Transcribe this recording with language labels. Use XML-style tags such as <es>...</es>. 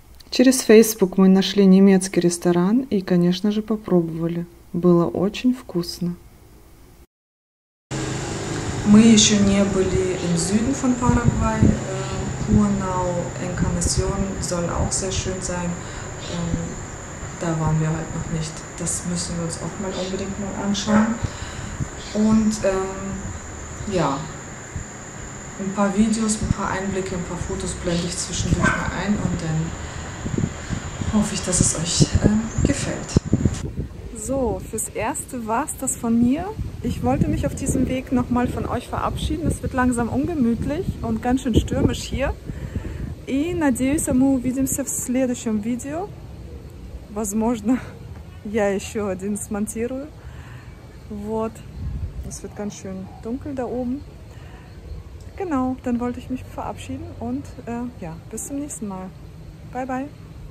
<ru>Через Facebook мы нашли немецкий ресторан и, конечно же, попробовали. Было очень вкусно. Мы еще не были в</ru> <de>Süden von Paraguay. Пуанау, Encarnación soll auch sehr schön sein. Da waren wir halt noch nicht. Das müssen wir uns auch mal unbedingt mal anschauen. Und ein paar Videos, ein paar Einblicke, ein paar Fotos blende ich zwischendurch mal ein und dann hoffe ich, dass es euch gefällt. So, fürs Erste war es das von mir. Ich wollte mich auf diesem Weg nochmal von euch verabschieden. Es wird langsam ungemütlich und ganz schön stürmisch hier.</de> <ru>И надеюсь, мы увидимся в следующем видео. Возможно, я еще один смонтирую.</ru> <de>Вот, es wird ganz schön dunkel da oben. Genau, dann wollte ich mich verabschieden und bis zum nächsten Mal. Bye, bye.</de>